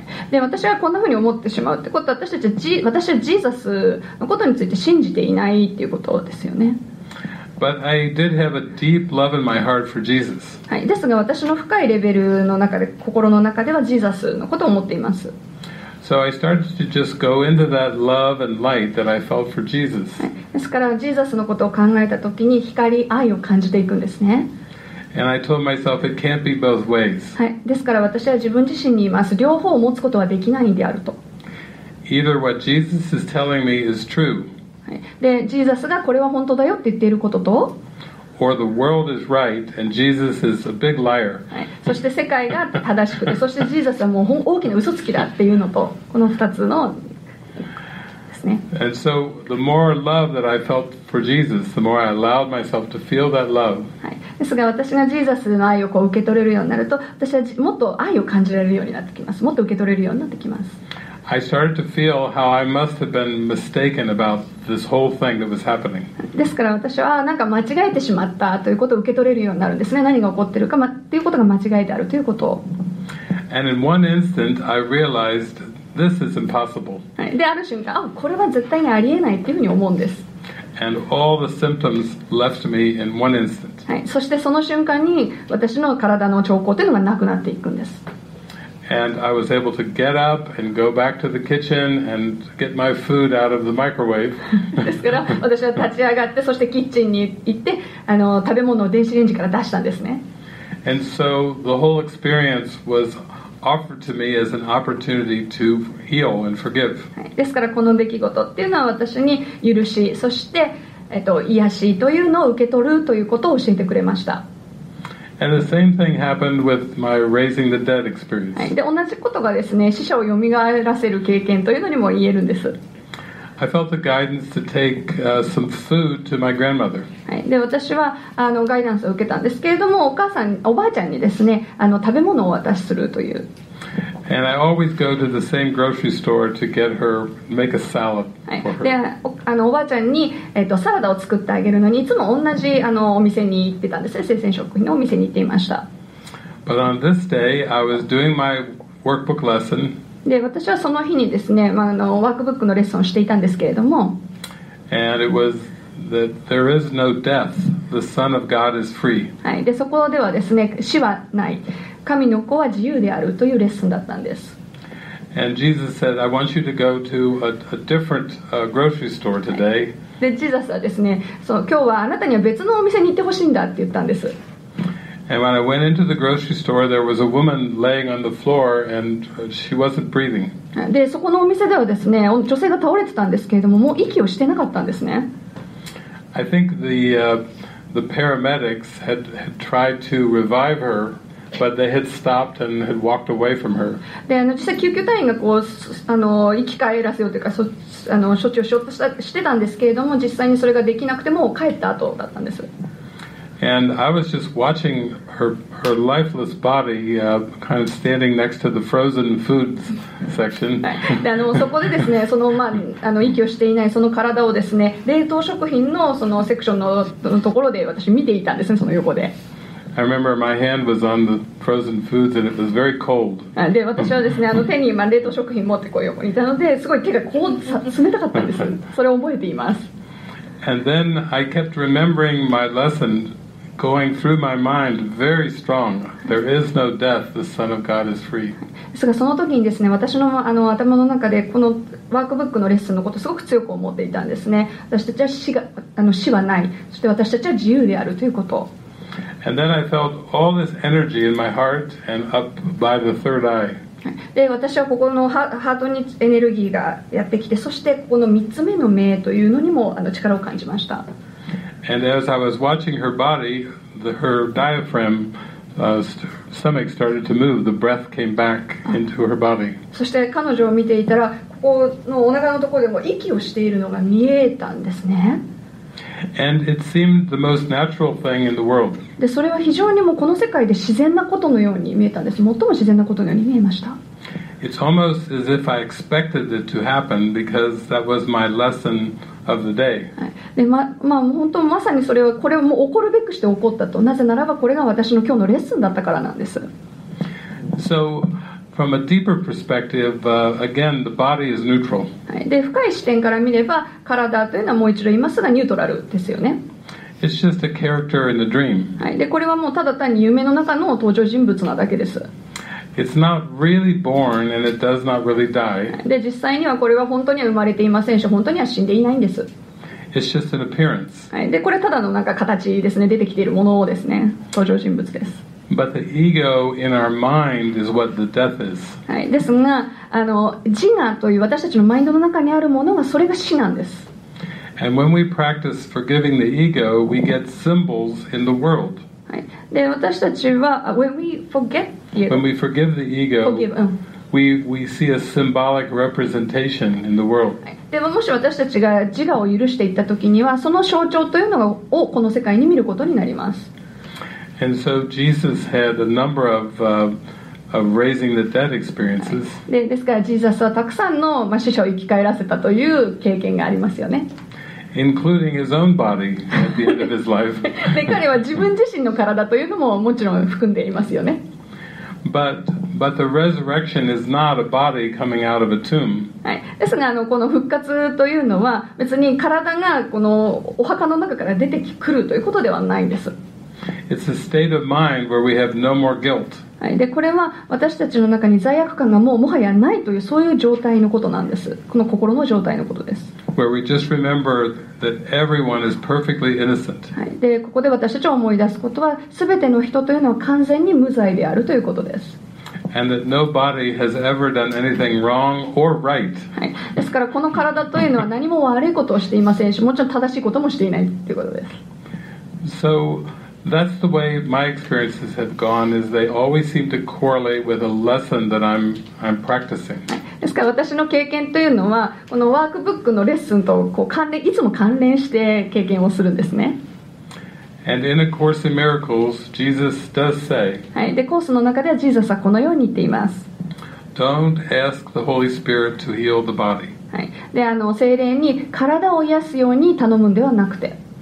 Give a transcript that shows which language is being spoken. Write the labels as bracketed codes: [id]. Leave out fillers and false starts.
[ja] で私はこんなふうに思ってしまうってことは私たちは私はジーザスのことについて信じていないっていうことですよね。 [en] But I did have a deep love in my heart for Jesus. [ja] はい、ですが私の深いレベルの中で心の中ではジーザスのことを思っています。 [en] So I started to just go into that love and light that I felt for Jesus.、 [ja] はい、ですからジーザスのことを考えたときに光、愛を感じていくんですね。 [en] And I told myself it can't be both ways. [ja] はい。ですから私は自分自身に言います。両方を持つことはできないんであると。 [en] Either what Jesus is telling me is true. [ja] はい。で、ジーザスがこれは本当だよって言っていることと。 [en] Or the world is right and Jesus is a big liar. [ja] はい。そして世界が正しくて、そしてジーザスはもう大きな嘘つきだっていうのと、この二つの。 [en] And so the more love that I felt for Jesus, the more I allowed myself to feel that love. [ja] はい。ですが私がジーザスの愛をこう受け取れるようになると、私はもっと愛を感じられるようになってきます。もっと受け取れるようになってきます。 [en] I started to feel how I must have been mistaken about this whole thing that was happening. [ja] ですから私はなんか間違えてしまったということを受け取れるようになるんですね。何が起こってるか、ま、っていうことが間違いであるということを。 [en] And in one instant, I realized. This is impossible. [ja] である瞬間、あ、これは絶対にありえないっていうふうに思うんです。 [en] And all the symptoms left me in one instant. [ja] はい、そしてその瞬間に私の体の兆候というのがなくなっていくんです。 [en] And I was able to get up and go back to the kitchen and get my food out of the microwave. [ja] ですから私は立ち上がってそしてキッチンに行って食べ物を電子レンジから出したんですね。 [en] And so the whole experience was. Offered to me as an opportunity to heal and forgive. [ja] ですからこの出来事っていうのは私に許し、そして癒しというのを受け取るということを教えてくれました。 [en] And the same thing happened with my raising the dead experience. [ja] で同じことがですね、死者を蘇らせる経験というのにも言えるんです。 [en] I felt the guidance to take some food to my grandmother. [ja] で私はガイダンスを受けたんですけれども、お母さん、おばあちゃんにですね、食べ物をお渡しするという。 [en] And I always go to the same grocery store to get her make a salad for her. [ja] で、おばあちゃんにサラダを作ってあげるのにいつも同じお店に行ってたんですね、生鮮食品のお店に行っていました。 [en] But on this day, I was doing my workbook lesson. [ja] で私はその日にですね、まあ、ワークブックのレッスンをしていたんですけれども [en] And it was that there is no death. The Son of God is free.、 [ja] はい、でそこではですね死はない神の子は自由であるというレッスンだったんです [en] And Jesus said I want you to go to a different grocery store today、 [ja] はい、でジーザスはですねそう今日はあなたには別のお店に行ってほしいんだって言ったんです [en] And when I went into the grocery store, there was a woman laying on the floor, and she wasn't breathing. [ja] で、そこのお店ではですね、女性が倒れてたんですけれども、もう息をしてなかったんですね。 [en] I think the paramedics had tried to revive her, but they had stopped and had walked away from her. [ja] で、実際救急隊員がこう生き返らせようというか、処置をしようとしてたんですけれども、実際にそれができなくても帰った後だったんです。 [en] And I was just watching her lifeless body, kind of standing next to the frozen foods section. [ja] そこでですね、その、まあ、息をしていないその体をですね、冷凍食品のそのセクションのところで私見ていたんですね、その横で。 [en] I remember my hand was on the frozen foods and it was very cold. [ja] で、私はですね、手に今冷凍食品持ってこう横にいたので、すごい手が凍冷たかったんです。それを覚えています。 [en] And then I kept remembering my lesson. Going through my mind very strong. There is no death. The Son of God is free. [ja] ですがその時にですね、私の頭の中でこのワークブックのレッスンのことをすごく強く思っていたんですね。私たちは死はない。そして私たちは自由であるということ。 [en] And then I felt all this energy in my heart and up by the third eye. [ja] で私はここのハートにエネルギーがやってきてそしてここの3つ目の目というのにも力を感じました。 [en] And as I was watching her body, her diaphragm, stomach started to move. The breath came back into her body. [ja] そして彼女を見ていたらここのお腹のところでも息をしているのが見えたんですね。 [en] And it seemed the most natural thing in the world. [ja] で、それは非常にもこの世界で自然なことのように見えたんです。最も自然なことのように見えました。 [en] It's almost as if I expected it to happen because that was my lesson of the day. [ja] で、まあ、本当まさにそれはこれも起こるべくして起こったと。なぜならばこれが私の今日のレッスンだったからなんです。 [en] So, from a deeper perspective, again, the body is neutral. [ja] で、深い視点から見れば体というのはもう一度言いますがニュートラルですよね。 [en] It's just a character in the dream. [ja] で、これはもうただ単に夢の中の登場人物なだけです。 [en] It's not really born and it does not really die. [ja] で、実際にはこれは本当には生まれていませんし、本当には死んでいないんです。 [en] It's just an appearance. [ja] で、これただのなんか形ですね。出てきているものをですね。登場人物です。 [en] But the ego in our mind is what the death is. [ja] ですが、自我という私たちのマインドの中にあるものがそれが死なんです。 [en] And when we practice forgiving the ego, we get symbols in the world. [ja] で、私たちは、 [en] when we forget the ego, when we forgive the ego, we see a symbolic representation in the world. [ja] でももし私たちが自我を許していったときには、その象徴というのをこの世界に見ることになります。 [en] And so Jesus had a number of raising the dead experiences. [ja] で、ですからジーザスはたくさんの死者を生き返らせたという経験がありますよね。 [en] Including his own body at the end of his life. [ja] で、彼は自分自身の体というのももちろん含んでいますよね。 [en] But the resurrection is not a body coming out of a tomb. [ja] ですが、この復活というのは別に体がこのお墓の中から出てくるということではないんです。 [en] It's a state of mind where we have no more guilt. [ja] で、これは私たちの中に罪悪感がもうもはやないというそういう状態のことなんです。この心の状態のことです。 [en] Where we just remember that everyone is perfectly innocent. [ja] で、ここで私たちを思い出すことは、すべての人というのは完全に無罪であるということです。 [en] And that nobody has ever done anything wrong or right. [ja] ですから、この体というのは何も悪いことをしていませんし、もちろん正しいこともしていないということです。 [en] So,That's the way my experiences have gone, is they always seem to correlate with a lesson that I'm practicing. [ja] ですから私の経験というのは、このワークブックのレッスンとこう関連、いつも関連して経験をするんですね。 [en] And in A Course in Miracles, Jesus does say, [ja] はい、で、コースの中ではジーザスはこのように言っています。 [en] Don't ask the Holy Spirit to heal the body. [ja] はい、で、精霊に体を癒すように頼むんではなくて、